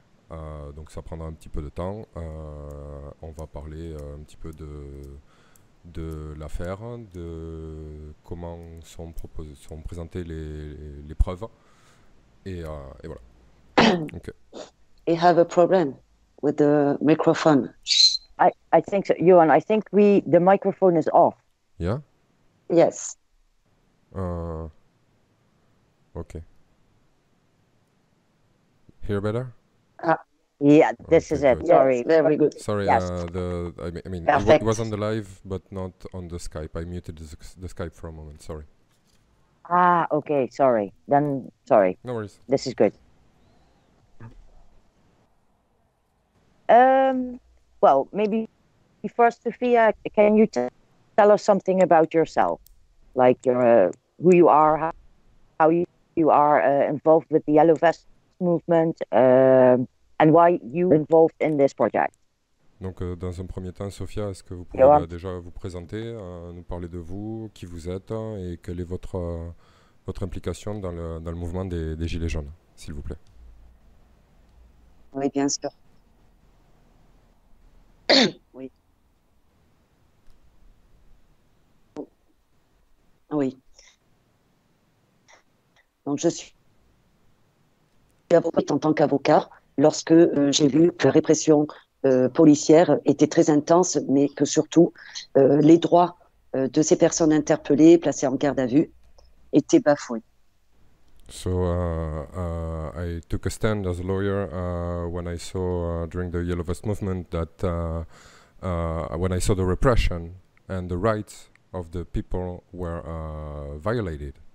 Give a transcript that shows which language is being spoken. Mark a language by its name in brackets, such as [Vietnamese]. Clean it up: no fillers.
[French] Donc ça prendra un petit peu de temps, on va parler un petit peu de l'affaire, de comment sont présentées les preuves, et voilà. [English] Okay. You have a problem with the microphone. I think so, Johan, I think the microphone is off. Yeah? Yes. Okay. Hear better? Yeah, this okay, is good. It. Sorry. Very good. Sorry. Yes. I mean, it was on the live, but not on the Skype. I muted the Skype for a moment. Sorry. Ah, okay. Sorry. Then, sorry. No worries. This is good. Well, maybe first, Sophia, can you tell us something about yourself? Like who you are, how you are involved with the Yellow Vest movement? And why you involved in this project? [French] Donc, dans un premier temps, Sophia, est-ce que vous pouvez déjà vous présenter, nous parler de vous, qui vous êtes, et quelle est votre implication dans le mouvement des Gilets jaunes, s'il vous plaît? Oui, bien sûr. Oui. Oui. Donc, je suis avocate en tant qu'avocat. Lorsque j'ai vu que la répression policière était très intense, mais que surtout les droits de ces personnes interpellées, placées en garde à vue, étaient bafoués. [English] So I took a stand as a lawyer when I saw during the Yellow Vest movement that when I saw the repression and the rights of the people were violated.